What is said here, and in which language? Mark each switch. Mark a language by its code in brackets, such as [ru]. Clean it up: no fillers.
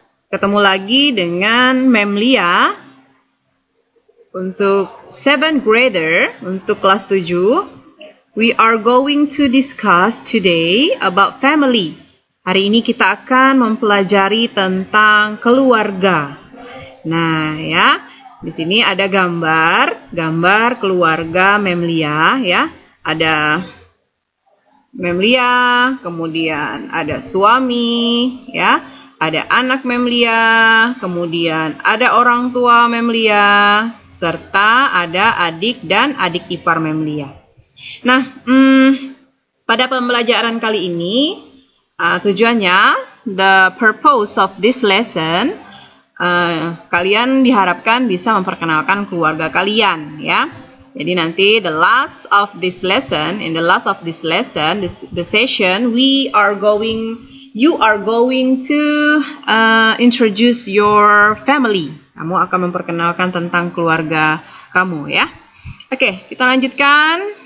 [id] Ketemu lagi dengan Mem Lia untuk [en] 7th grader, [id] untuk kelas 7. [en] We are going to discuss today about family. [id] Hari ini kita akan mempelajari tentang keluarga. Nah, ya. Di sini ada gambar keluarga Mem Lia, ya. Ada Mem Lia, kemudian ada suami, ya. Ada anak Mem Lia, kemudian ada orang tua Mem Lia, serta ada adik dan adik ipar Mem Lia. Nah, pada pembelajaran kali ini, tujuannya, [en] the purpose of this lesson, [id] kalian diharapkan bisa memperkenalkan keluarga kalian, ya. Jadi nanti [en] in the last of this lesson, the session, you are going to introduce your family. [id] Kamu akan memperkenalkan tentang keluarga kamu, ya. Oke, kita lanjutkan.